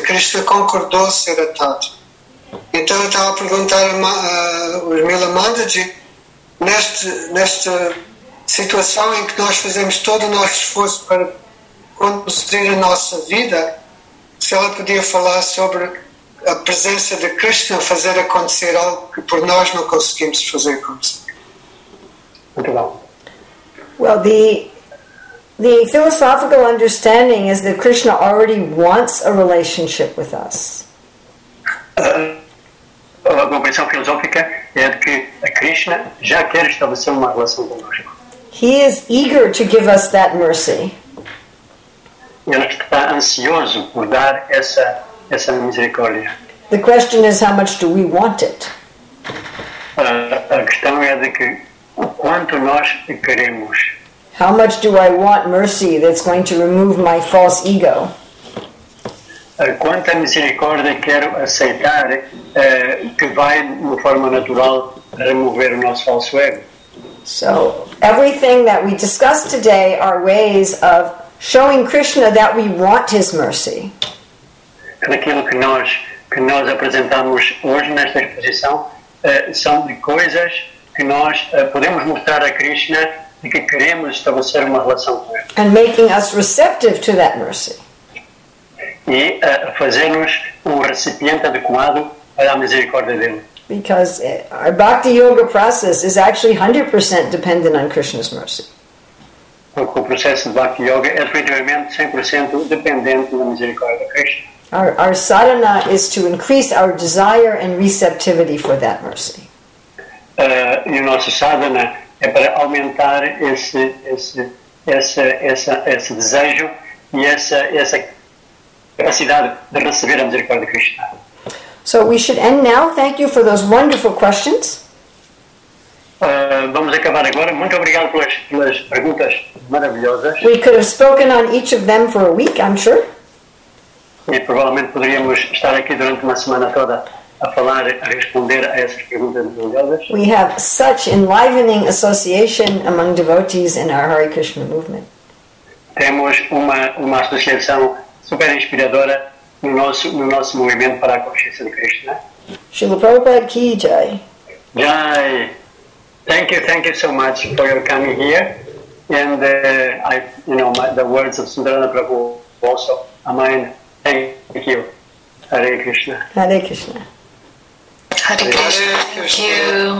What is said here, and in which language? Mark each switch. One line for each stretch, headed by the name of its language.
Portuguese: Krishna concordou ser atado. Então eu estava a perguntar ao Urmila Mandaji, nesta situação em que nós fazemos todo o nosso esforço para conduzir a nossa vida, se ela podia falar sobre a presença de Krishna fazer acontecer algo que por nós não conseguimos fazer acontecer. Muito bom.
English: Well, the philosophical understanding is that Krishna already wants a relationship with us.
Portuguese: A compreensão filosófica é que a Krishna já quer estabelecer uma relação conosco.
English: He is eager to give us that mercy.
Portuguese: Ele está ansioso por dar essa misericórdia.
English: The question is, how much do we want it?
Portuguese: A questão é de que o quanto nós queremos.
English: How much do I want mercy that's going to remove my false ego?
Portuguese: Quanta misericórdia quero aceitar que vai, de forma natural, remover o nosso falso ego?
English: So, everything that we discussed today are ways of showing Krishna that we want his mercy.
Portuguese: Aquilo que nós apresentamos hoje nesta exposição são de coisas que nós podemos mostrar a Krishna de que queremos estabelecer uma relação com ele.
English: And making us receptive to that mercy.
Portuguese: E fazer-nos um recipiente adequado para a misericórdia dele.
English: Because our bhakti yoga process is actually 100% dependent on Krishna's mercy.
Portuguese: Porque o processo de bhakti yoga é efetivamente 100% dependente da misericórdia de Krishna.
English: Our sadhana is to increase our desire and receptivity for that mercy.
Portuguese: E o nosso sadhana é para aumentar esse desejo e essa capacidade de receber a misericórdia de Krishna.
English: So we should end now. Thank you for those wonderful questions.
Portuguese: Vamos acabar agora. Muito obrigado pelas perguntas maravilhosas.
English: We could have spoken on each of them for a week, I'm sure.
Portuguese: E provavelmente poderíamos estar aqui durante uma semana toda a falar, a responder a essas perguntas maravilhosas.
English: We have such enlivening association among devotees in our Hare Krishna movement.
Portuguese: Temos uma associação super inspiradora no nosso movimento para a consciência de Krishna.
Sanskrit: Srila Prabhupada ki jai. Jai.
English: Thank you so much for your coming here. And the words of Sundarana Prabhu also are mine. Thank you. Hare Krishna.
Sanskrit: Hare Krishna.
English: Hare Krishna. Thank you.